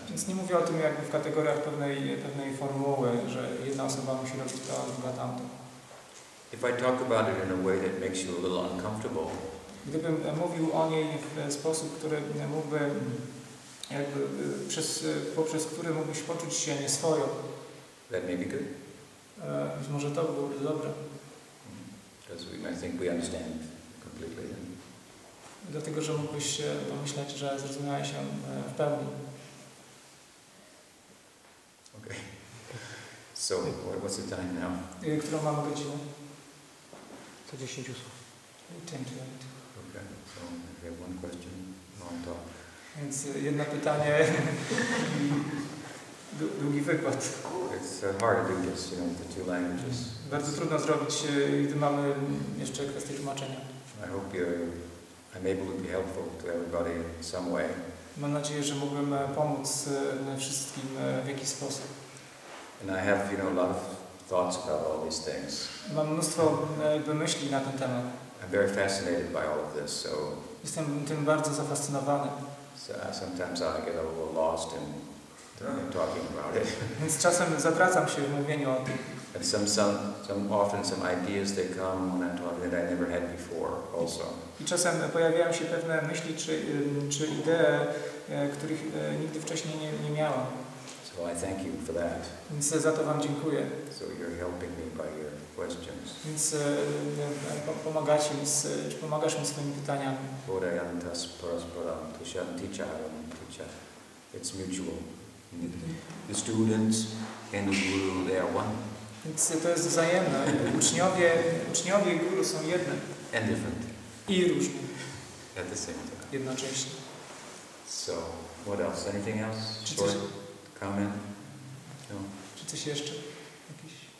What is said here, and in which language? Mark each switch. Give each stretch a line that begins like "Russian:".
Polish: Więc nie mówię o tym jakby w kategoriach pewnej formuły, że jedna osoba musi robić to, a druga tamto.
English: If I talk about it in a way that makes you a little uncomfortable.
Polish: Gdybym mówił o niej w sposób, który mógłby jakby poprzez który mógłbyś poczuć się nieswojo.
English: That may be good.
Polish: Być może to byłoby dobre.
English: Because we might think we understand completely.
Polish: Dlatego, że mógłbyś pomyśleć, że zrozumiałeś się w pełni.
English: Okay. So, what's the time now?
Polish: Którą mamy godzinę? Co 10 osób.
English: 10:08. Okay, so we have one question, long talk.
Polish: Więc jedno pytanie i długi wykład.
English: It's hard to do this, you know, the two languages.
Polish: Bardzo trudno zrobić, gdy mamy jeszcze kwestię tłumaczenia.
English: I hope I'm able to be helpful to everybody in some way.
Polish: Mam nadzieję, że mógłbym pomóc wszystkim w jakiś sposób.
English: And I have, you know, a lot of thoughts about all these things.
Polish: Mam mnóstwo myśli na ten temat.
English: I'm very fascinated by all of this, so.
Polish: Jestem tym bardzo zafascynowany.
English: So sometimes I get a little lost in talking about it.
Polish: Więc czasem zatracam się w mówieniu o tym.
English: And often some ideas they come when I'm talking that I never had before also.
Polish: I czasem pojawiają się pewne myśli czy idee, których nigdy wcześniej nie miałam.
English: So I thank you for that.
Polish: Więc za to wam dziękuję.
English: So you're helping me by your questions.
Polish: Więc pomagacie mi, czy pomagasz mi swoimi pytaniami.
Sanskrit: Bodhayantas parasparam tushyantichayam tucha.
English: It's mutual. The students and the guru, they are one.
Polish: Więc to jest wzajemne. Uczniowie i guru są jedne.
English: And different.
Polish: I różne.
English: At the same time.
Polish: Jednocześnie.
English: So, What else? Anything else? Short comment?
Polish: No. Czy coś jeszcze? Jakiś?